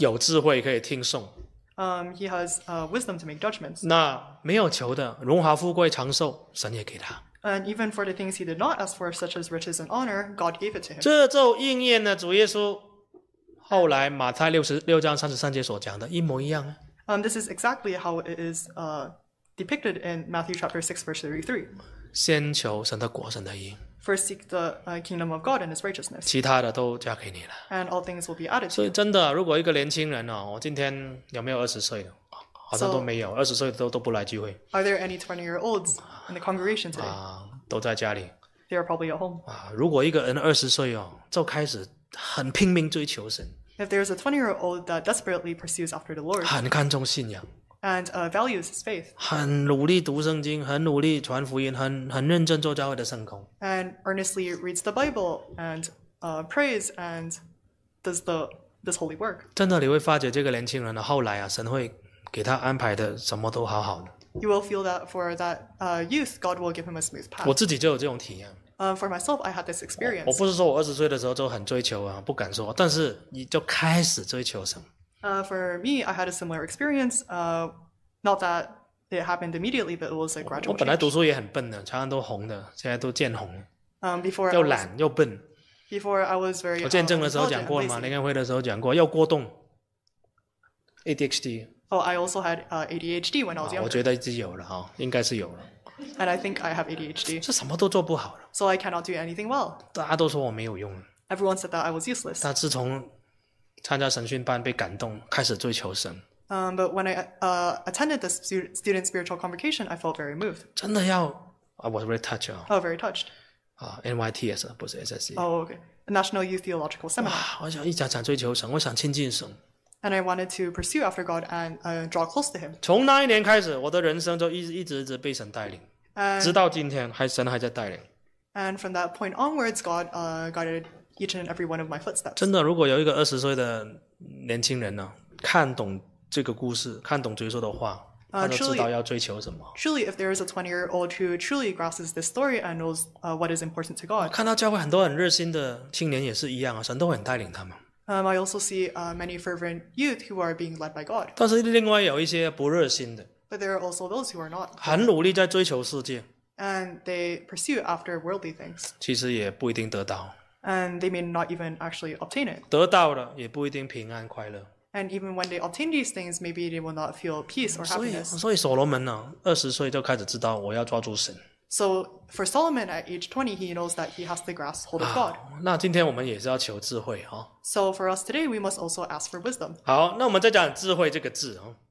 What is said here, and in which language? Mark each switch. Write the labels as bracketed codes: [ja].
[zh] 有智慧可以听颂。 [en] He has wisdom to make judgments. [zh] 那没有求的，荣华富贵长寿，神也给他。 [en] And even for the things he did not ask for, such as riches and honor, God gave it to him. [zh] 这就应验了主耶稣后来马太66章33节所讲的一模一样啊。 [en] This is exactly how it is depicted in Matthew chapter 6, verse 33. [zh] 先求神的国，神的义。 [en] First seek the kingdom of God and His righteousness. [zh] 其他的都交给你了。 [en] And all things will be added to you. [zh] 所以真的，如果一个年轻人，我今天有没有20岁的？好像都没有，20岁的都不来聚会。 [en] Are there any 20-year-olds in the congregation today? [zh] 都在家里。 [en] They are probably at home. [zh] 如果一个人20岁哦，就开始很拼命追求神。 [en] If there is a 20-year-old that desperately pursues after the Lord. [zh] 很看重信仰。 [en] And values his faith. [zh] 很努力读圣经，很努力传福音，很认真做教会的圣工。 [en] And earnestly reads the Bible and prays and does this holy work. [zh] 真的你会发觉这个年轻人的后来啊，神会给他安排的什么都好好的。 [en] You will feel that for that youth, God will give him a smooth path. [zh] 我自己就有这种体验。 [en] For myself, I had this experience. [zh] 我不是说我二十岁的时候就很追求啊，不敢说，但是你就开始追求什么。 [en] For me, I had a similar experience. Not that it happened immediately, but it was a gradual change. [zh] 我本来读书也很笨的，常常都红的，现在都见红了。 [en] Before [zh] 又懒又笨。 [en] Before I was very. [zh] 我见证的时候讲过了嘛，联恩会的时候讲过，又过动。 [en] ADHD. Oh, I also had ADHD when I was younger. [zh] 我觉得已经有了哈，应该是有了。 [en] And I think I have ADHD. [zh] 这什么都做不好了。 [en] So I cannot do anything well. [zh] 大家都说我没有用。 [en] Everyone said that I was useless. [zh] 但自从参加神训班被感动，开始追求神。 [en] But when I attended the student spiritual convocation, I felt very moved. [zh] 真的要 [en] ，I was very touched. Oh, very touched. [zh] NYTS 不是 SSC. [en] Oh, okay. National Youth Theological Seminar. [zh] 我想一直想追求神，我想亲近神。 [en] And I wanted to pursue after God and draw close to Him. [zh] 从那一年开始，我的人生就一直被神带领， [en] and, [zh] 直到今天，神还在带领。 [en] And from that point onwards, God guided each and every one of my footsteps. [zh] 真的，如果有一个二十岁的年轻人呢，看懂这个故事，看懂追溯的话，他就知道要追求什么。 [en] Truly, if there is a 20-year-old who truly grasps this story and knows what is important to God. [zh] 看到教会很多很热心的青年也是一样啊，神都很带领他们。 [en] I also see many fervent youth who are being led by God. [zh] 但是另外有一些不热心的。 [en] But there are also those who are not. [zh] 很努力在追求世界。 [en] And they pursue after worldly things. [zh] 其实也不一定得到。 [en] And they may not even actually obtain it. [zh] 得到了也不一定平安快乐。 [en] And even when they obtain these things, maybe they will not feel peace or happiness. [zh] 所以所罗门呢，二十岁就开始知道我要抓住神。 [en] So for Solomon at age 20, he knows that he has to grasp hold of God. [zh] 那今天我们也是要求智慧哦。 [en] So for us today, we must also ask for wisdom. [zh] 好，那我们再讲智慧这个字哦。